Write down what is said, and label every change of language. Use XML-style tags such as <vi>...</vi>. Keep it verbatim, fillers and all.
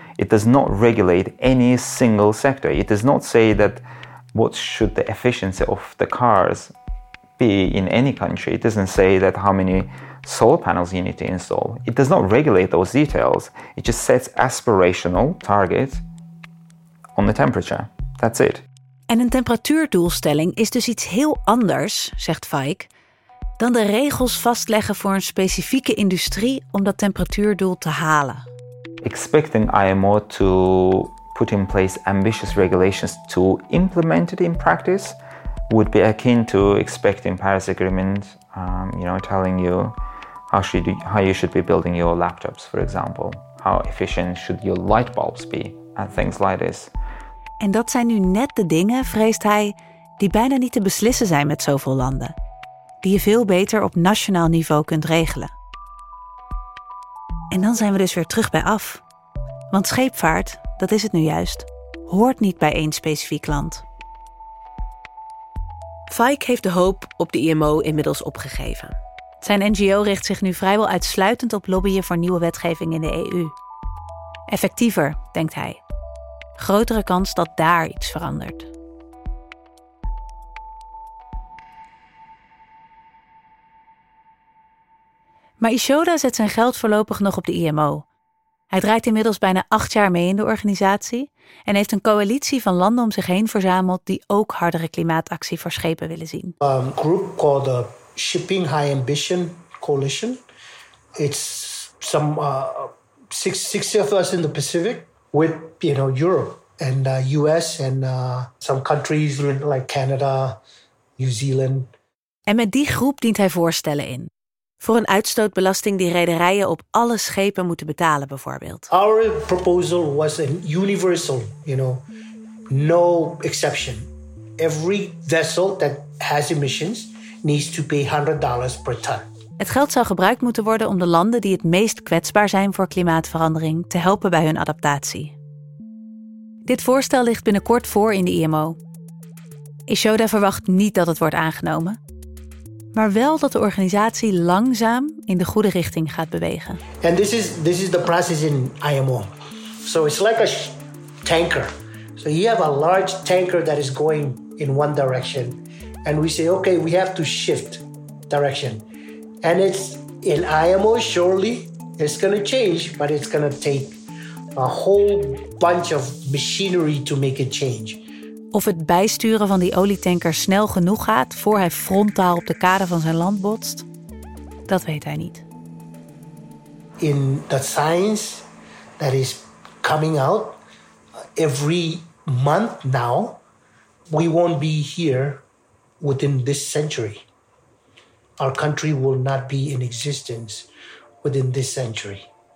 <en>It does not regulate any single sector. It does not say that what should the efficiency of the cars be in any country. It doesn't say that how many solar panels you need to install. It does not regulate those details. It just sets aspirational targets on the temperature. That's it.</en> <nl>En een temperatuurdoelstelling is dus iets heel anders, zegt Faik, dan de regels vastleggen voor een specifieke industrie om dat temperatuurdoel te halen.</nl> <en>Expecting I M O to put in place ambitious regulations to implement it in practice would be akin to expecting Paris Agreement, um, you know, telling you how should you, how you should be building your laptops, for example. How efficient should your light bulbs be, and things like this.</en> <nl>En dat zijn nu net de dingen, vreest hij, die bijna niet te beslissen zijn met zoveel landen. Die je veel beter op nationaal niveau kunt regelen. En dan zijn we dus weer terug bij af. Want scheepvaart, dat is het nu juist, hoort niet bij één specifiek land. Faik heeft de hoop op de I M O inmiddels opgegeven. Zijn N G O richt zich nu vrijwel uitsluitend op lobbyen voor nieuwe wetgeving in de E U. Effectiever, denkt hij. Grotere kans dat daar iets verandert. Maar Ishoda zet zijn geld voorlopig nog op de I M O. Hij draait inmiddels bijna acht jaar mee in de organisatie en heeft een coalitie van landen om zich heen verzameld die ook hardere klimaatactie voor schepen willen zien.</nl> <en>Um, group called the Shipping High Ambition Coalition. It's some uh, six six of us in the Pacific with, you know, Europe and uh, U S and uh, some countries like Canada, New Zealand.</en> <nl>En met die groep dient hij voorstellen in. Voor een uitstootbelasting die rederijen op alle schepen moeten betalen, bijvoorbeeld.</nl> <en>Our proposal was a universal, you know, no exception. Every vessel that has emissions needs to pay one hundred dollars per ton.</en> <nl>Het geld zou gebruikt moeten worden om de landen die het meest kwetsbaar zijn voor klimaatverandering te helpen bij hun adaptatie. Dit voorstel ligt binnenkort voor in de I M O. Ishoda verwacht niet dat het wordt aangenomen, maar wel dat de organisatie langzaam in de goede richting gaat bewegen.</nl> <en>And this is this is the process in I M O. So it's like a sh- tanker. So you have a large tanker that is going in one direction, and we say, okay, we have to shift direction. And it's in I M O, surely it's going to change, but it's going to take a whole bunch of machinery to make it change.</en> <nl>Of het bijsturen van die olietanker snel genoeg gaat voor hij frontaal op de kade van zijn land botst, dat weet hij niet.</nl> <en>In the science that is coming out every month now, we won't be here within this century. Our country will not be in existence within this century.</en>